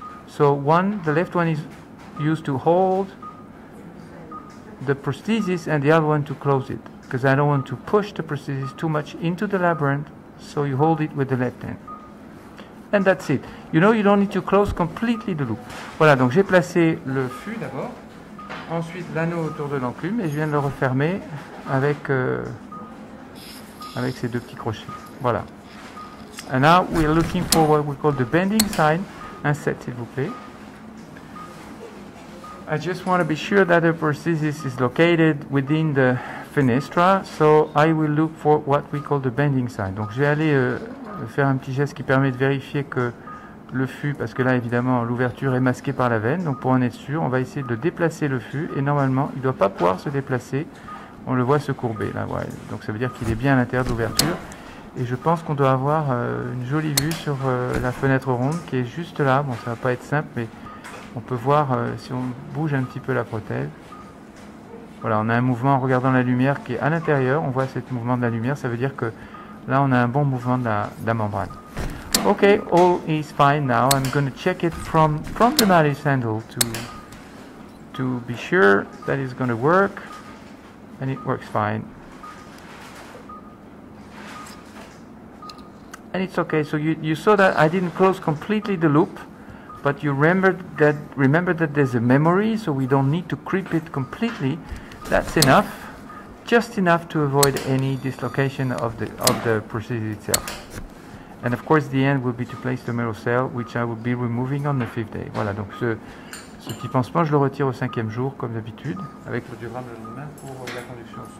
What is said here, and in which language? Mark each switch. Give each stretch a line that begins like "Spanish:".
English: So one, the left one is used to hold the prosthesis, and the other one to close it, because I don't want to push the prosthesis too much into the labyrinth, so you hold it with the left hand. And that's it. You know, you don't need to close completely the loop.
French: Voilà, donc j'ai placé le fût d'abord, ensuite l'anneau autour de l'enclume, et je viens de le refermer avec ces deux petits crochets. Voilà.
English: And now we are looking for what we call the bending sign.
French: Inset, s'il vous plaît.
English: I just want to be sure that the prosthesis is located within the fenestra, so I will look for what we call the bending sign.
French: Donc je vais aller faire un petit geste qui permet de vérifier que le fût, parce que là évidemment l'ouverture est masquée par la veine, donc pour en être sûr, on va essayer de déplacer le fût, et normalement il ne doit pas pouvoir se déplacer, on le voit se courber là, ouais. Donc ça veut dire qu'il est bien à l'intérieur de l'ouverture. Et je pense qu'on doit avoir une jolie vue sur la fenêtre ronde qui est juste là. Bon, ça va pas être simple, mais on peut voir si on bouge un petit peu la prothèse. Voilà, on a un mouvement en regardant la lumière qui est à l'intérieur. On voit ce mouvement de la lumière. Ça veut dire que là, on a un bon mouvement de la membrane.
English: OK, all is fine now. I'm going to check it from the mallet handle to be sure that it's going to work. And it works fine. And it's okay, so you saw that I didn't close completely the loop, but you remember that there's a memory, so we don't need to creep it completely. That's enough, just enough to avoid any dislocation of the prosthesis itself. And of course the end will be to place the marrow cell, which I will be removing on the fifth day.
French: Voilà, donc ce petit pansement, je le retire au cinquième jour, comme d'habitude, avec le durable le lendemain pour la conduction.